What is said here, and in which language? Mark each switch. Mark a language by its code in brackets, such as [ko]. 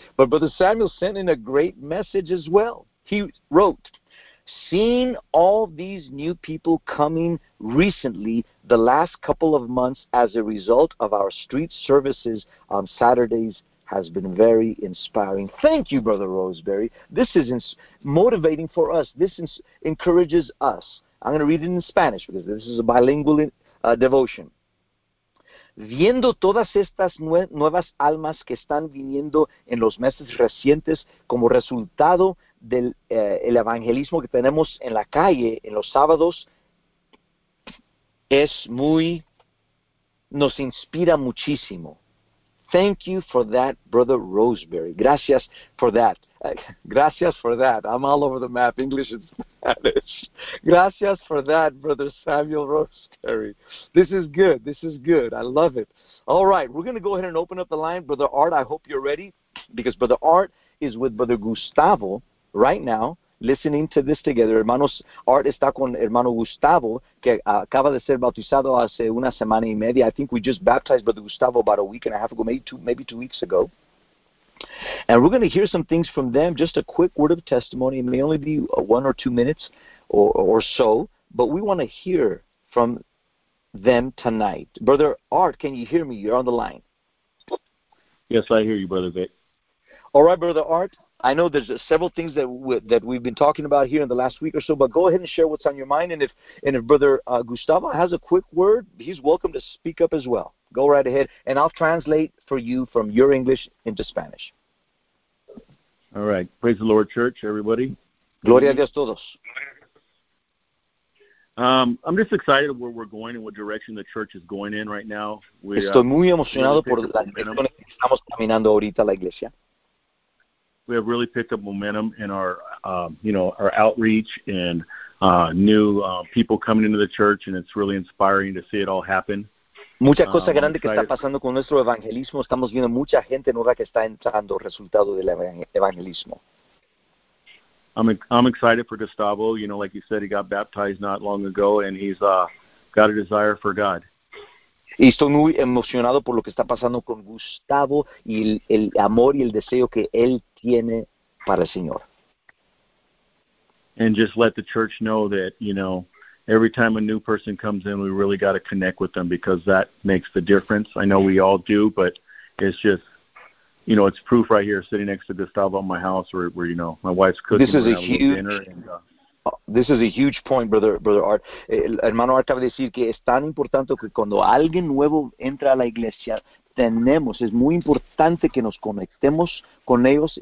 [en] But Brother Samuel sent in a great message as well. He wrote, seeing all these new people coming recently, the last couple of months as a result of our street services on Saturdays has been very inspiring. Thank you, Brother Roseberry. This is motivating for us. This encourages us. I'm going to read it in Spanish because this is a bilingual devotion. [es] Viendo todas estas nuevas almas que están viniendo en los meses recientes como resultado del el evangelismo que tenemos en la calle en los sábados, nos inspira muchísimo. [en] Thank you for that, Brother Roseberry. Gracias for that. Gracias for that. I'm all over the map, English and Spanish. Gracias for that, Brother Samuel Roseberry. This is good. This is good. I love it. All right. We're going to go ahead and open up the line. Brother Art, I hope you're ready, because Brother Art is with Brother Gustavo right now, listening to this together. [es] Hermanos, Art está con hermano Gustavo, que acaba de ser bautizado hace una semana y media. [en] I think we just baptized Brother Gustavo about a week and a half ago, maybe two weeks ago. And we're going to hear some things from them, just a quick word of testimony. It may only be 1 or 2 minutes or so, but we want to hear from them tonight. Brother Art, can you hear me? You're on the line. Yes, I hear you, Brother Vic. All right, Brother Art. I know there's several things that we've been talking about here in the last week or so, but go ahead and share what's on your mind. And if Brother Gustavo has a quick word, he's welcome to speak up as well. Go right ahead, and I'll translate for you from your English into Spanish. All right. Praise the Lord, church, everybody. [es] Gloria a Dios todos. [en] I'm just excited where we're going and what direction the church is going in right now. [es] Estoy muy emocionado por la dirección que estamos caminando ahorita la iglesia. [en] We have really picked up momentum in our outreach and new people coming into the church, and it's really inspiring to see it all happen. [es] Mucha cosa grande que está pasando con nuestro evangelismo. Estamos viendo mucha gente nueva que está entrando, resultado del evangelismo. [en] I'm excited for Gustavo. You know, like you said, he got baptized not long ago, and he's got a desire for God. [es] Y estoy muy emocionado por lo que está pasando con Gustavo y el amor y el deseo que él tiene para el Señor. [en] And just let the church know that, you know, every time a new person comes in, we really got to connect with them, because that makes the difference. I know we all do, but it's just, you know, it's proof right here sitting next to Gustavo in my house where you know, my wife's cooking. This is a huge dinner. This is a huge point, brother Art. [es] El hermano Art acaba de decir que es tan importante que cuando alguien nuevo entra a la iglesia, es muy importante que nos conectemos con ellos.